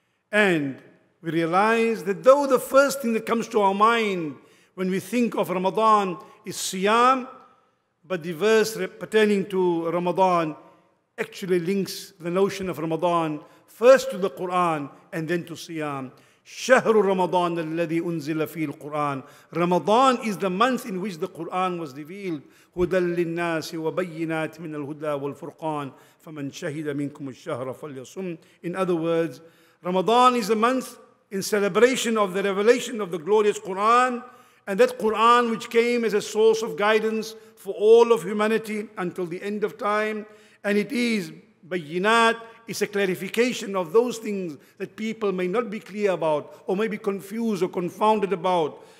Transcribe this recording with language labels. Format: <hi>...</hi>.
<en>And we realize that though the first thing that comes to our mind when we think of Ramadan is Siyam, but the verse pertaining to Ramadan actually links the notion of Ramadan first to the Quran and then to Siyam.</en> <ar>شهر رمضان الذي أنزل فيه القرآن.</ar> <en>Ramadan is the month in which the Quran was revealed.</en> <ar>هدى للناس وبينات من الهدى والفرقان فمن شهد منكم الشهر فليصم.</ar> <en>In other words, Ramadan is a month in celebration of the revelation of the glorious Quran, and that Quran which came as a source of guidance for all of humanity until the end of time. And it is بينات, it's a clarification of those things that people may not be clear about or may be confused or confounded about.</en>